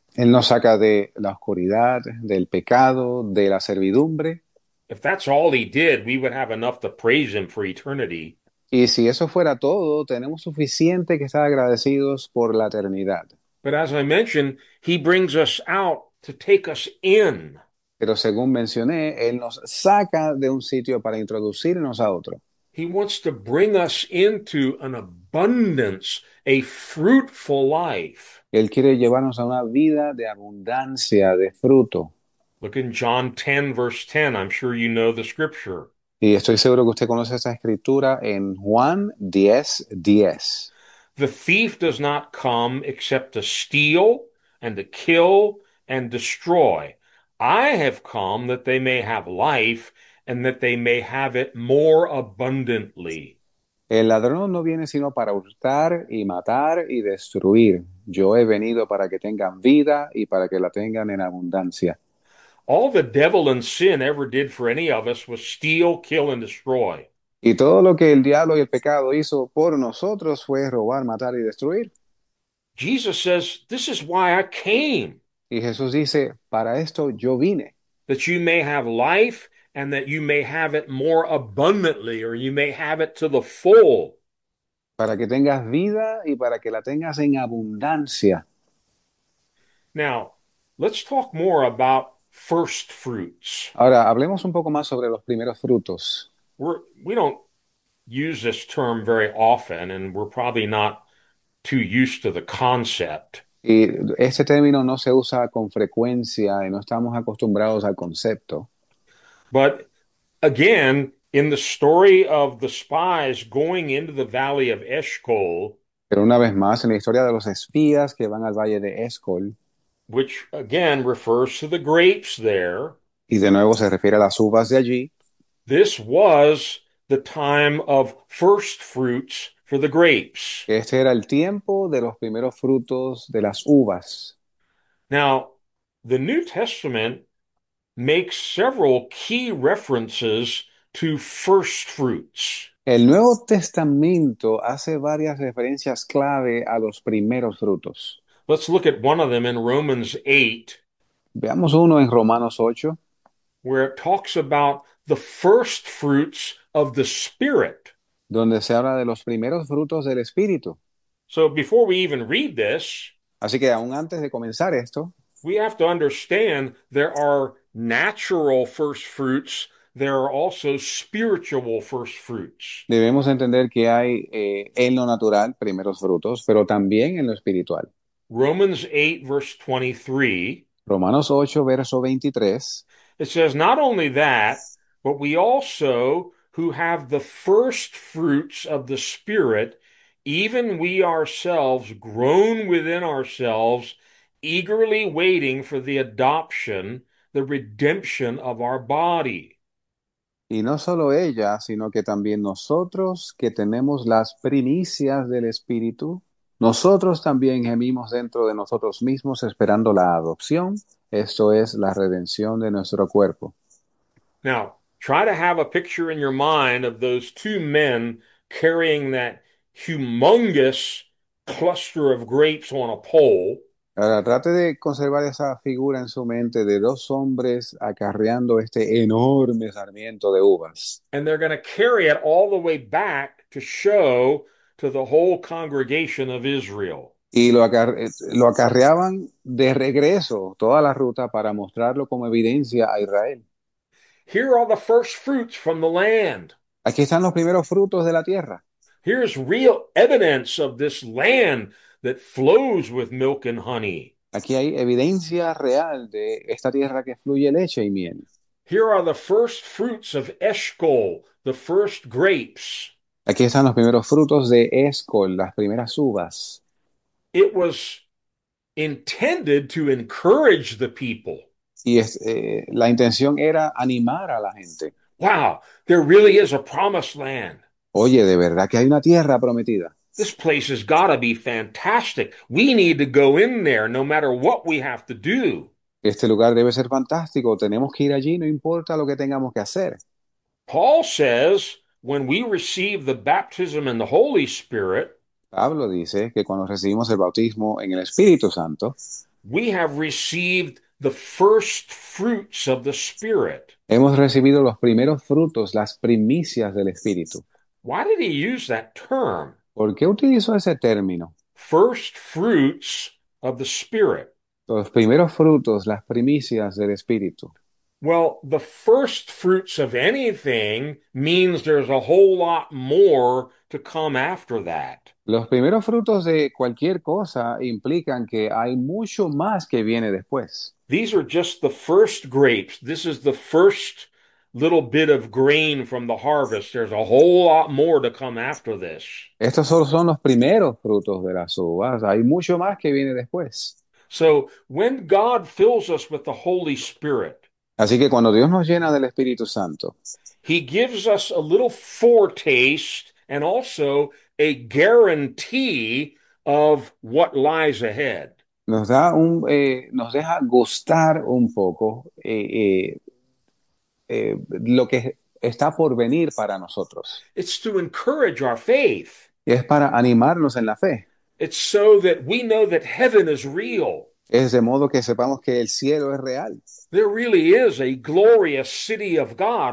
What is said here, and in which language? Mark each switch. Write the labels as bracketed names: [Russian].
[Spanish] Él nos saca de la oscuridad, del pecado, de la servidumbre. [English] If that's all he did, we would have enough to praise him for eternity. [Spanish] Y si eso fuera todo, tenemos suficiente que estar agradecidos por la eternidad. [English] But as I mentioned, he brings us out to take us in. [Spanish] Pero según mencioné, él nos saca de un sitio para introducirnos a otro. [English] He wants to bring us into an abundance, a fruitful life. [Spanish] Él quiere llevarnos a una vida de abundancia, de fruto. [English] Look in John 10, verse 10. I'm sure you know the scripture. [Spanish] Y estoy seguro que usted conoce esta escritura en Juan 10:10. [English] The thief does not come except to steal and to kill and destroy. I have come that they may have life and that they may have it more abundantly. [Spanish] El ladrón no viene sino para hurtar y matar y destruir. Yo he venido para que tengan vida y para que la tengan en abundancia. [English] All the devil and sin ever did for any of us was steal, kill, and destroy. [Spanish] Y todo lo que el diablo y el pecado hizo por nosotros fue robar, matar y destruir. [English] Jesus says, "This is why I came, [Spanish] Y Jesús dice, para esto yo vine. [English] that you may have life and that you may have it more abundantly, or you may have it to the full." [Spanish] Para que tengas vida y para que la tengas en abundancia. [English] Now, let's talk more about first fruits. [Spanish] Ahora, hablemos un poco más sobre los primeros frutos. [English] We don't use this term very often, and we're probably not too used to the concept. [Spanish] Y este término no se usa con frecuencia y no estamos acostumbrados al concepto. [English] But again, in the story of the spies going into the valley of Eshcol, [Spanish] Pero una vez más, en la historia de los espías que van al valle de Escol, [English] which again refers to the grapes there. [Spanish] y de nuevo se refiere a las uvas de allí, [English] This was the time of first fruits for the grapes. [Spanish] este era el tiempo de los primeros frutos de las uvas. [English] Now, the New Testament makes several key references to first fruits. [Spanish] El Nuevo Testamento hace varias referencias clave a los primeros frutos. [English] Let's look at one of them in Romans 8, [Spanish] Veamos uno en Romanos 8. [English] where it talks about the first fruits of the Spirit. [Spanish] Donde se habla de los primeros frutos del Espíritu. [English] So before we even read this, [Spanish] Así que aún antes de comenzar esto, [English] we have to understand there are natural first fruits, there are also spiritual first fruits. [Spanish] debemos entender que hay en lo natural primeros frutos, pero también en lo espiritual. [English] Romans 8, verse 23. [Spanish] Romanos 8, verso 23. [English] It says, "Not only that, but we also who have the first fruits of the Spirit, even we ourselves groan within ourselves, eagerly waiting for the adoption, the redemption of our body." [Spanish] Y no solo ella, sino que también nosotros que tenemos las primicias del Espíritu, nosotros también gemimos dentro de nosotros mismos esperando la adopción, esto es la redención de nuestro cuerpo. [English] Now, try to have a picture in your mind of those two men carrying that humongous cluster of grapes on a pole. [Spanish] Ahora, trate de conservar esa figura en su mente de dos hombres acarreando este enorme sarmiento de uvas. [English] And they're going to carry it all the way back to show to the whole congregation of Israel. [Spanish] Y lo acarreaban de regreso toda la ruta para mostrarlo como evidencia a Israel. [English] Here are the first fruits from the land. [Spanish] Aquí están los primeros frutos de la tierra. [English] Here's real evidence of this land that flows with milk and honey. [Spanish] Aquí hay evidencia real de esta tierra que fluye leche y miel. [English] Here are the first fruits of Eshcol, the first grapes. [Spanish] Aquí están los primeros frutos de Escol, las primeras uvas. [English] It was intended to encourage the people. [Spanish] Y la intención era animar a la gente. [English] Wow, there really is a promised land. [Spanish] Oye, de verdad que hay una tierra prometida. [English] This place has got to be fantastic. We need to go in there no matter what we have to do. [Spanish] Este lugar debe ser fantástico. Tenemos que ir allí, no importa lo que tengamos que hacer. [English] Paul says, when we receive the baptism in the Holy Spirit, [Spanish] Pablo dice que cuando recibimos el bautismo en el Espíritu Santo, [English] we have received The first fruits of the Spirit. [Spanish] Hemos recibido los primeros frutos, las primicias del Espíritu. [English] Why did he use that term? [Spanish] ¿Por qué utilizó ese término? [English] First fruits of the Spirit. [Spanish] Los primeros frutos, las primicias del Espíritu. [English] Well, the first fruits of anything means there's a whole lot more to come after that. [Spanish] Los primeros frutos de cualquier cosa implican que hay mucho más que viene después. [English] These are just the first grapes. This is the first little bit of grain from the harvest. There's a whole lot more to come after this. [Spanish] Estos solo son los primeros frutos de las uvas. Hay mucho más que viene después. [English] So, when God fills us with the Holy Spirit, [Spanish] Así que cuando Dios nos llena del Espíritu Santo, [English] He gives us a little foretaste and also a guarantee of what lies ahead. [Spanish] nos da un, nos deja gustar un poco lo que está por venir para nosotros. [English] It's to encourage our faith. [Spanish] Y es para animarnos en la fe. [English] It's so that we know that heaven is real. [Spanish] Es de modo que sepamos que el cielo es real. [English] There really is a glorious city of God.